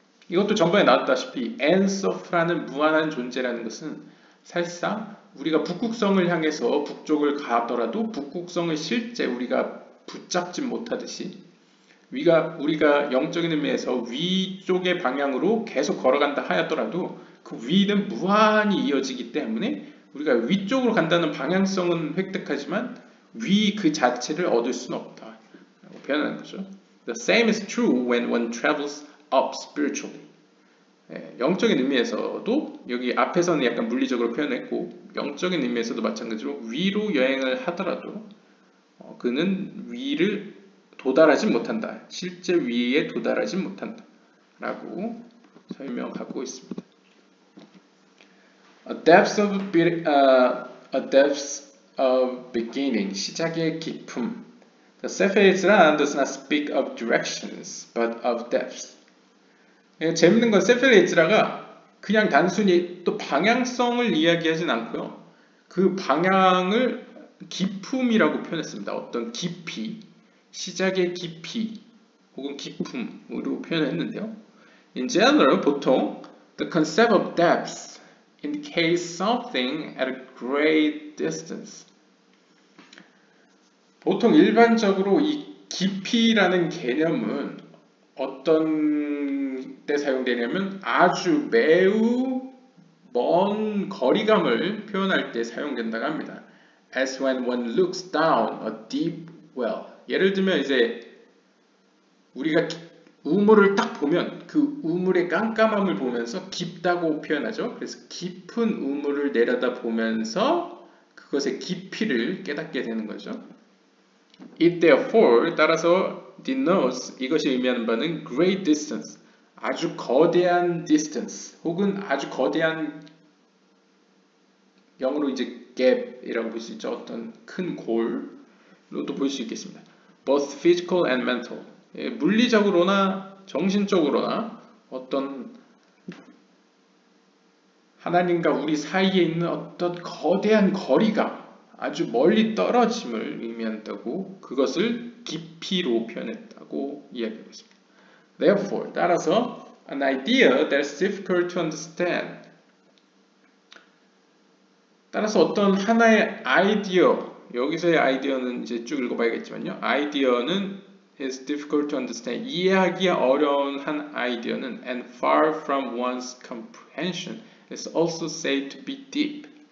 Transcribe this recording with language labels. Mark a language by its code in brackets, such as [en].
[ko] 이것도 전번에 나왔다시피 엔서프라는 무한한 존재라는 것은 사실상 우리가 북극성을 향해서 북쪽을 가더라도 북극성을 실제 우리가 붙잡지 못하듯이 우리가 영적인 의미에서 위쪽의 방향으로 계속 걸어간다 하였더라도 그 위는 무한히 이어지기 때문에 우리가 위쪽으로 간다는 방향성은 획득하지만 위그 자체를 얻을 수는 없다 라고 표현하는 거죠. [en] The same is true when one travels up spiritually. [ko] 영적인 의미에서도 여기 앞에서는 약간 물리적으로 표현했고, 영적인 의미에서도 마찬가지로 위로 여행을 하더라도 그는 위를 도달하지 못한다, 실제 위에 도달하지 못한다 라고 설명하고 있습니다. [en] A depth of beginning, [ko] 시작의 깊음. [en] The Cephalates란 does not speak of directions, but of depths. [ko] 재밌는 건 세페레이트라가 그냥 단순히 또 방향성을 이야기하진 않고요. 그 방향을 깊음이라고 표현했습니다. 어떤 깊이, 시작의 깊이 혹은 깊음으로 표현했는데요. [en] In general, [ko] 보통 [en] the concept of depth indicates something at a great distance. [ko] 보통 일반적으로 이 깊이라는 개념은 어떤 때 사용되냐면 아주 매우 먼 거리감을 표현할 때 사용된다고 합니다. [en] As when one looks down a deep well. [ko] 예를 들면 이제 우리가 우물을 딱 보면 그 우물의 깜깜함을 보면서 깊다고 표현하죠. 그래서 깊은 우물을 내려다보면서 그것의 깊이를 깨닫게 되는 거죠. [en] It therefore [ko] 따라서 [en] denotes [ko] 이것이 의미하는 바는 [en] great distance. [ko] 아주 거대한 distance 혹은 아주 거대한 영어로 이제 gap이라고 볼수 있죠. 어떤 큰 골로도 볼수 있겠습니다. [en] Both physical and mental. [ko] 물리적으로나 정신적으로나 어떤 하나님과 우리 사이에 있는 어떤 거대한 거리가 아주 멀리 떨어짐을 의미한다고 그것을 깊이로 표현했다고 이야기했습니다. [en] Therefore, [ko] 따라서 [en] an idea that's difficult to understand. [ko] 따라서 어떤 하나의 아이디어, 여기서의 아이디어는 이제 쭉 읽어봐야겠지만요. 아이디어는 [en] is difficult to understand. [ko] 이해하기 어려운 한 아이디어는 [en] and far from one's comprehension is also said to be deep.